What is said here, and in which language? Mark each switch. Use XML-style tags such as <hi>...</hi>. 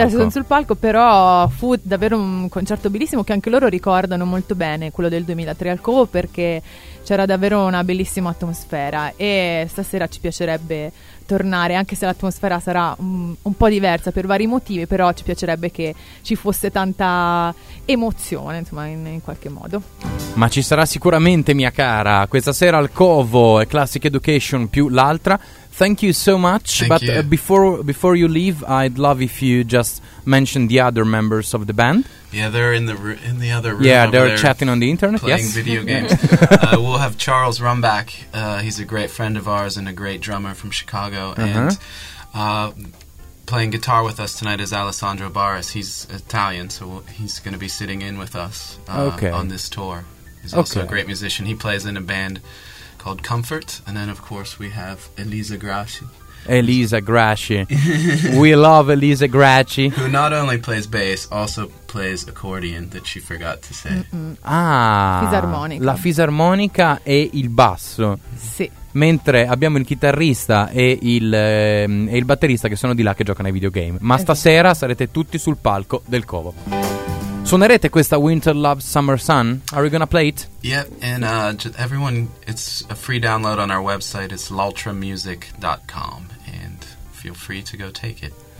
<it>Adesso sono sul palco, però fu davvero un concerto bellissimo che anche loro ricordano molto bene, quello del 2003 al Covo, perché c'era davvero una bellissima atmosfera, e stasera ci piacerebbe tornare, anche se l'atmosfera sarà un po' diversa per vari motivi, però ci piacerebbe che ci fosse tanta emozione, insomma, in qualche modo. Ma ci sarà sicuramente, mia cara, questa sera al Covo, e Classic Education più l'altra.</it> <en>Thank you so much. Thank but you. Before you leave, I'd love if you just mention the other members of the band. Yeah, they're in the other room. Yeah, they're there chatting on the internet. Playing yes. video games. we'll have Charles Rumbach. He's a great friend of ours and a great drummer from Chicago. Uh-huh. And playing guitar with us tonight is Alessandro Baris. He's Italian, so he's going to be sitting in with us on this tour. He's also a great musician. He plays in a band called Comfort, and then of course we have Elisa Gracci. Elisa Gracci. We love Elisa Gracci. Who not only plays bass, also plays accordion, that she forgot to say.</en> <it>Mm-mm. Ah, fisarmonica. La fisarmonica e il basso. Sì. Mentre abbiamo il chitarrista e il batterista, che sono di là, che giocano ai videogame. Ma stasera sarete tutti sul palco del Covo. Suonerete questa Winter Love Summer Sun?</it> <en>Are we gonna play it? Yep, and everyone, it's a free download on our website, it's lultramusic.com, and feel free to go take it.</en>